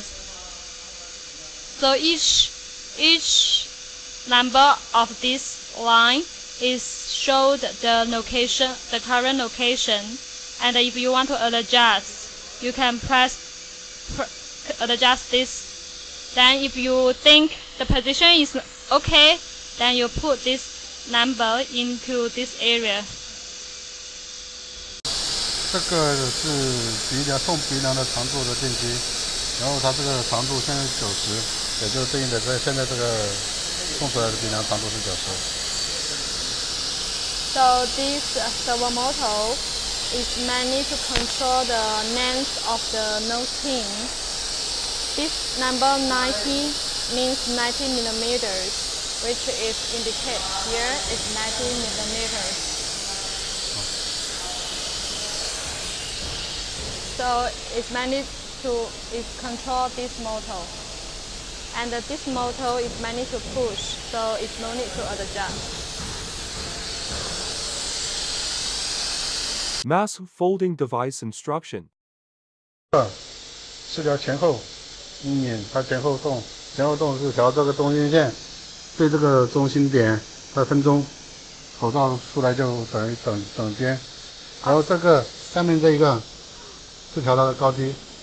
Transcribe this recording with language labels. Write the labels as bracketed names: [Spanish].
[English] So each number of this line is showed the location, the current location, and if you want to adjust, you can adjust this. Then if you think the position is okay, then you put this number into this area. [Chinese] 这个是鼻梁送鼻梁的长度的电机，然后它这个长度现在90，也就是对应的在现在这个送出来的鼻梁长度是90。 [English] So this servo motor is mainly to control the length of the nose pin. This number 90 means 90 millimeters, which is indicated here is 90 millimeters. So it's mainly to control this motor. And this motor is mainly to push, so it's no need to adjust. Mass folding device instruction. [Chinese] 是调前后，一拧它前后动，前后动是调这个中心线，对这个中心点它分钟，口罩出来就等于等间，然后这个下面这一个是调它的高低。